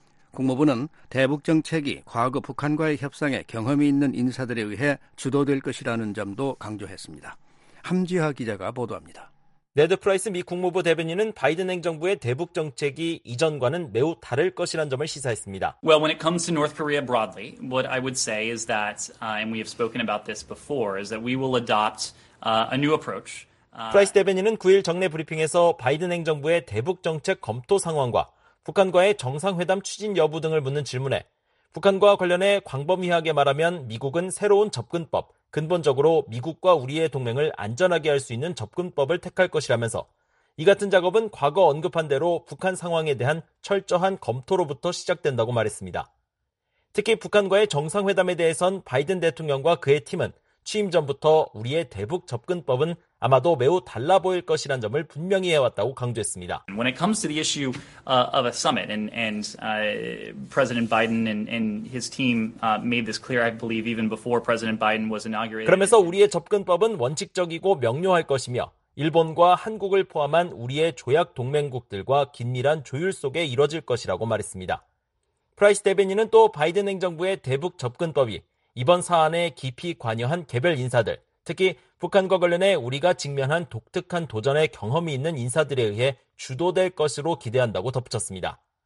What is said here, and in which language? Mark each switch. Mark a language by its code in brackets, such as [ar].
[ko] 국무부는 대북 정책이 과거 북한과의 협상에 경험이 있는 인사들에 의해 주도될 것이라는 점도 강조했습니다. 함지하 기자가 보도합니다. 네드 프라이스 미 국무부 대변인은 바이든 행정부의 대북 정책이 이전과는 매우 다를 것이라는 점을 시사했습니다. [en] Well, when it comes to North Korea broadly, what I would say is that, and we have spoken about this before, is that we will adopt a new approach. [ko] 프라이스 대변인은 9일 정례 브리핑에서 바이든 행정부의 대북 정책 검토 상황과 북한과의 정상회담 추진 여부 등을 묻는 질문에 북한과 관련해 광범위하게 말하면 미국은 새로운 접근법, 근본적으로 미국과 우리의 동맹을 안전하게 할 수 있는 접근법을 택할 것이라면서 이 같은 작업은 과거 언급한 대로 북한 상황에 대한 철저한 검토로부터 시작된다고 말했습니다. 특히 북한과의 정상회담에 대해선 바이든 대통령과 그의 팀은 취임 전부터 우리의 대북 접근법은 아마도 매우 달라 보일 것이란 점을 분명히 해왔다고 강조했습니다. [en] When it comes to the issue of a summit, President Biden and his team made this clear, I believe, even before President Biden was inaugurated. [ko] 그러면서 우리의 접근법은 원칙적이고 명료할 것이며 일본과 한국을 포함한 우리의 조약 동맹국들과 긴밀한 조율 속에 이뤄질 것이라고 말했습니다. 프라이스 대변인은 또 바이든 행정부의 대북 접근법이 이번 사안에 깊이 관여한 개별 인사들, 특히 북한과 관련해 우리가 직면한 독특한 도전의 경험이 있는 인사들에 의해 주도될 것으로 기대한다고 덧붙였습니다.